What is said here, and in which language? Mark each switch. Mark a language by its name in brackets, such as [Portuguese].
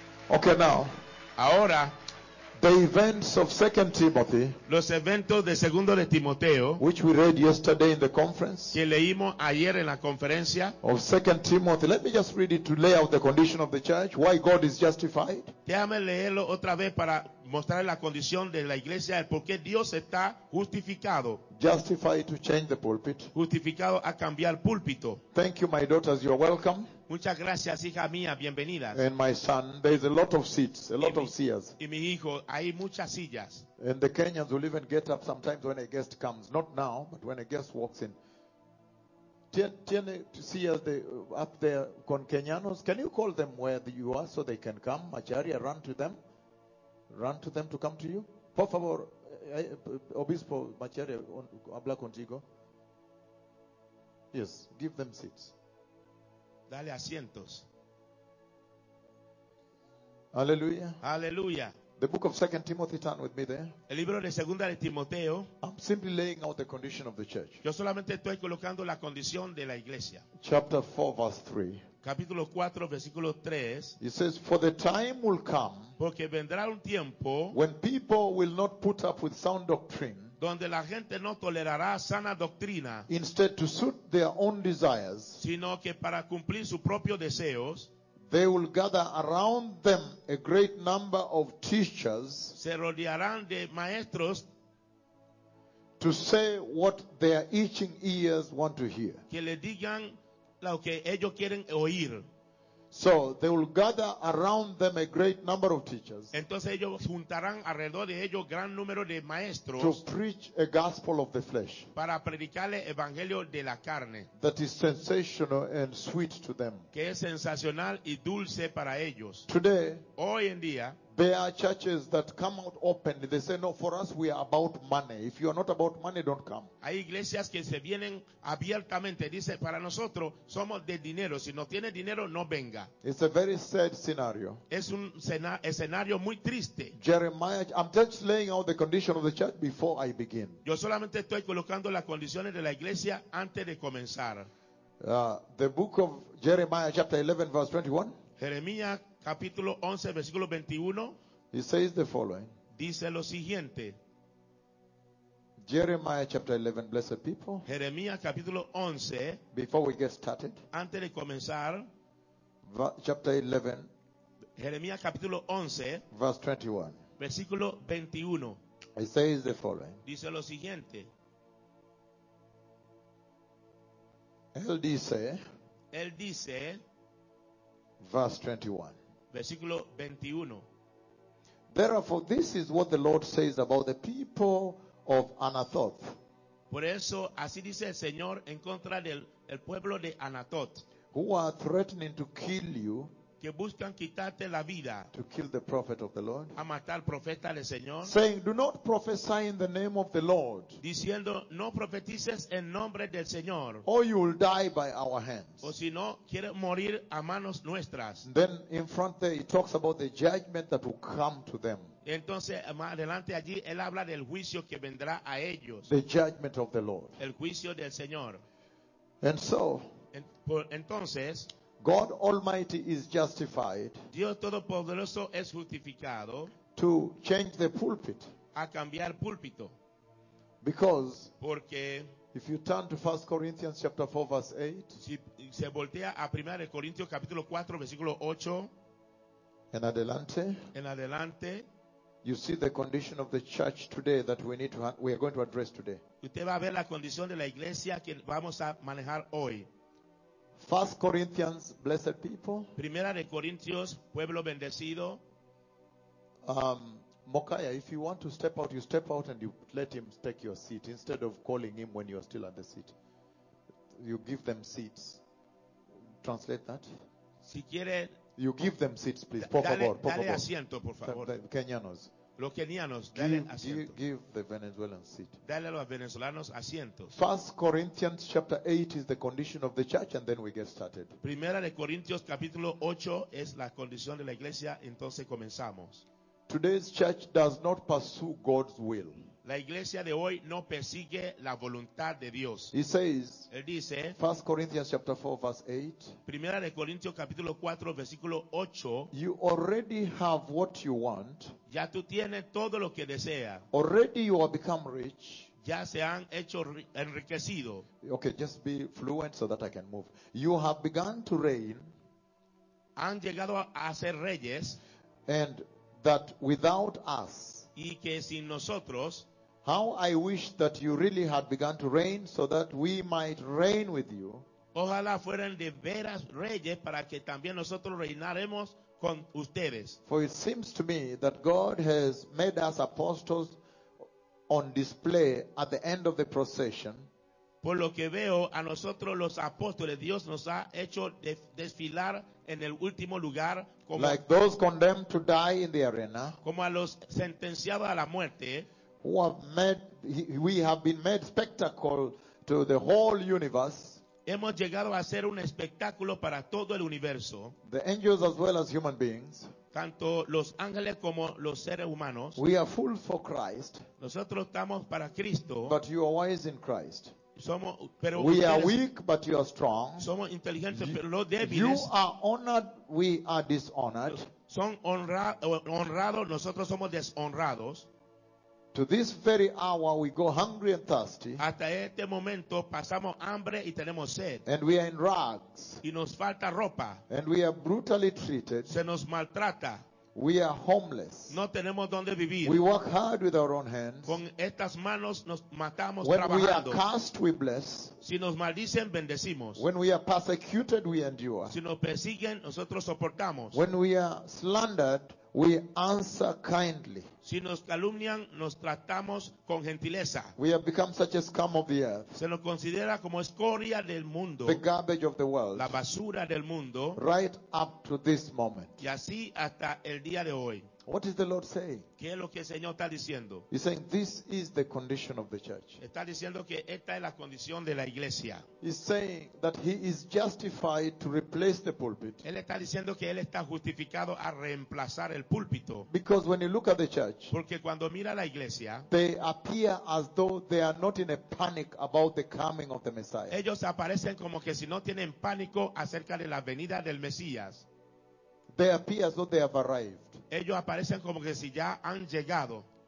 [English] Okay, now. [Spanish] Ahora, [English] The events of 2 Timothy, [Spanish] los eventos de segundo de Timoteo, [English] which we read yesterday in the conference, [Spanish] que leímos ayer en la conferencia, [English] of 2 Timothy. Let me just read it to lay out the condition of the church, why God is justified. [Spanish] Déjame leerlo otra vez para mostrar la condición de la iglesia, el por qué Dios está justificado. [English] Justified to change the pulpit. [Spanish] Justificado a cambiar púlpito. [English] Thank you, my daughters. You're welcome. [Spanish] Muchas gracias, hija mía, bienvenidas. [English] And my son, there is a lot of seats, a lot of seats. [Spanish] Y mi hijo, hay muchas sillas. [English] And the Kenyans will even get up sometimes when a guest comes, not now, but when a guest walks in. [Spanish] Tiene sillas de [English] up there [Spanish] con Kenyanos. [English] Can you call them where you are so they can come? Macharia, run to them. Run to them to come to you. [Spanish] Por favor, Obispo Macharia, habla contigo. [English] Yes, give them seats. [Spanish] Dale asientos. Hallelujah. Hallelujah. [English] The book of 2 Timothy, turn with me there. [Spanish] El libro de Segunda de Timoteo. [English] I'm simply laying out the condition of the church. [Spanish] Yo solamente estoy colocando la condición de la iglesia. [English] Chapter 4, verse 3. [Spanish] Capítulo 4, versículo 3. [English] It says, for the time will come, [Spanish] porque vendrá un tiempo, [English] when people will not put up with sound doctrine, [Spanish] donde la gente no tolerará sana doctrina, [English] instead to suit their own desires, [Spanish] sino que para cumplir sus propios deseos, [English] they will gather around them a great number of teachers, [Spanish] se rodearán de maestros, [English] to say what their itching ears want to hear, [Spanish] que le digan lo que ellos quieren oír. [English] So they will gather around them a great number of teachers. [Spanish] Entonces ellos juntarán alrededor de ellos gran número de maestros. [English] To preach a gospel of the flesh. [Spanish] Para predicarle evangelio de la carne. [English] That is sensational and sweet to them. [Spanish] Que es sensacional y dulce para ellos. [English] Today, [Spanish] hoy en día, [English] there are churches that come out openly. They say, no, for us we are about money. If you are not about money, don't come. [Spanish] Hay iglesias que se vienen abiertamente. Dice, para nosotros somos de dinero. Si no tiene dinero, no venga. [English] It's a very sad scenario. [Spanish] Es un escenario muy triste. [English] Jeremiah, I'm just laying out the condition of the church before I begin. [Spanish] Yo solamente estoy colocando las condiciones de la iglesia antes de comenzar. [English] The book of Jeremiah, chapter 11, verse 21. [Spanish] Jeremiah, capítulo 11, versículo 21. [English] It says the following. [Spanish] Dice lo siguiente. [English] Jeremiah chapter 11, blessed people. [Spanish] Jeremiah capítulo 11. [English] Before we get started. [Spanish] Antes de comenzar. [English] Chapter 11. [Spanish] Jeremiah capítulo 11. [English] Verse 21. [Spanish] Versículo 21. [English] It says the following. [Spanish] Dice lo siguiente. Él dice. [English] Verse 21. [Spanish] Versículo 21. [English] Therefore, this is what the Lord says about the people of Anathoth. [Spanish] Por eso, así dice el Señor en contra del el pueblo de Anathoth. [English] Who are threatening to kill you. [Spanish] Que buscan quitarte la vida. [English] To kill the prophet of the Lord. [Spanish] A matar al profeta del Señor. [English] Saying, do not prophesy in the name of the Lord. [Spanish] Diciendo, no profetices en nombre del Señor. [English] Or you will die by our hands. [Spanish] O si no, quiere morir a manos nuestras. [English] Then in front there, he talks about the judgment that will come to them. [Spanish] Entonces, más adelante allí, él habla del juicio que vendrá a ellos. [English] The judgment of the Lord. [Spanish] El juicio del Señor. [English] And so, [Spanish] entonces, [English] God Almighty is justified. [Spanish] Dios Todopoderoso es justificado. [English] To change the pulpit. [Spanish] A cambiar púlpito. [English] Because. [Spanish] Porque. [English] If you turn to 1 Corinthians chapter 4 verse 8. [Spanish] Si se voltea a 1 Corintios capítulo 4 versículo 8. En adelante. En adelante. [English] You see the condition of the church today that we are going to address today. [Spanish] Usted va a ver la condición de la iglesia que vamos a manejar hoy. [English] First Corinthians, blessed people. [Spanish] Primera de Corintios, pueblo bendecido. [English] Mokaya, if you want to step out, you step out and you let him take your seat instead of calling him when you are still at the seat. You give them seats. Translate that. [Spanish] Si quiere, [English] you give them seats, please. [Spanish] Por favor, por favor. Dale asiento, por favor. Kenyanos. Los kenianos, dale asiento. [English] Give the Venezuelans seat. [Spanish] Dale a los venezolanos asientos. [English] First Corinthians chapter 8 is the condition of the church, and then we get started. [Spanish] Primera de Corintios capítulo 8 es la condición de la iglesia, entonces comenzamos. [English] Today's church does not pursue God's will. [Spanish] La iglesia de hoy no persigue la voluntad de Dios. [English] He says, [Spanish] él dice, [English] 1 Corinthians chapter 4 verse 8. [Spanish] Primera de Corintios capítulo 4 versículo 8. [English] You already have what you want. [Spanish] Ya tú tienes todo lo que desea. [English] Already you have become rich. [Spanish] Ya se han hecho enriquecido. [English] Okay, just be fluent so that I can move. You have begun to reign. [Spanish] Han llegado a ser reyes. [English] And that without us. [Spanish] Y que sin nosotros. [English] How I wish that you really had begun to reign so that we might reign with you. [Spanish] Ojalá fueran de veras reyes para que también nosotros reinaremos con ustedes. [English] For it seems to me that God has made us apostles on display at the end of the procession. [Spanish] Por lo que veo, a nosotros los apóstoles, Dios nos ha hecho desfilar en el último lugar como, [English] like those condemned to die in the arena, [Spanish] como a los sentenciados a la muerte. [English] We have been made spectacle to the whole universe. [Spanish] Hemos llegado a ser un espectáculo para todo el universo. [English] The angels as well as human beings. [Spanish] Tanto los ángeles como los seres humanos. [English] We are full for Christ. [Spanish] Nosotros estamos para Cristo. [English] But you are wise in Christ. [Spanish] Somos, pero [English] we are weak, but you are strong. [Spanish] Somos inteligentes, pero no débiles. [English] You are honored, we are dishonored. [Spanish] Son honrados, nosotros somos deshonrados. [English] To this very hour, we go hungry and thirsty. [Spanish] Hasta este momento pasamos hambre y tenemos sed. [English] And we are in rags. [Spanish] Y nos falta ropa. [English] And we are brutally treated. [Spanish] Se nos maltrata. [English] We are homeless. [Spanish] No tenemos donde vivir. [English] We work hard with our own hands. [Spanish] Con estas manos nos matamos [English] when [Spanish] trabajando. [English] We are cursed, we bless. [Spanish] Si nos maldicen, bendecimos. [English] When we are persecuted, we endure. [Spanish] Si nos persiguen, nosotros soportamos. [English] When we are slandered, we answer kindly. [Spanish] Si nos calumnian, nos tratamos con gentileza. [English] We have become such a scum of the earth. [Spanish] Se nos considera como escoria del mundo. [English] The garbage of the world. [Spanish] La basura del mundo. [English] Right up to this moment. [Spanish] Y así hasta el día de hoy. [English] What is the Lord saying? [Spanish] ¿Qué es lo que el Señor está diciendo? [English] He's saying this is the condition of the church. [Spanish] Está diciendo que esta es la condición de la iglesia. [English] He's saying that he is justified to replace the pulpit. [Spanish] Él está diciendo que él está justificado a reemplazar el púlpito. [English] Because when you look at the church, [Spanish] porque cuando mira la iglesia, [English] they appear as though they are not in a panic about the coming of the Messiah. [Spanish] Ellos aparecen como que si no tienen pánico acerca de la venida del Mesías. [English] They appear as though they have arrived. [Spanish] Ellos aparecen como que si ya han llegado.